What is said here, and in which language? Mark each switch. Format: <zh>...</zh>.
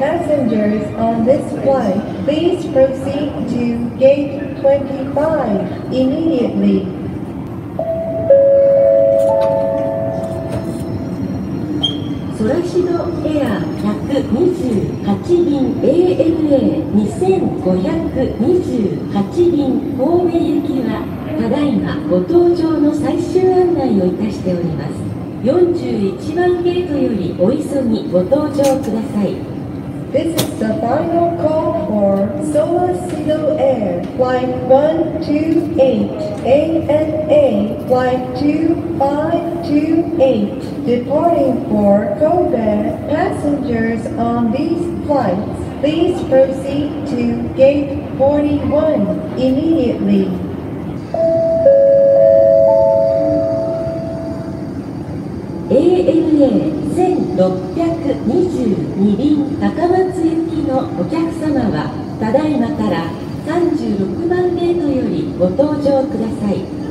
<en>Passengers on this flight, please proceed to gate 25 immediately.</en> <ja>ソラシドエア128便 ANA 2528便神戸行きはただいまご搭乗の最終案内をいたしております。 41番ゲートよりお急ぎご搭乗ください。</ja> <en>This is the final call for ソラシドエア Flight 128 ANA Flight 2528 departing for Kobe. Passengers on these flights, please proceed to gate 41 immediately.</en> <ja>ANA 1622便高松行きのお客様はただいまから36番ゲートよりご搭乗ください。</ja>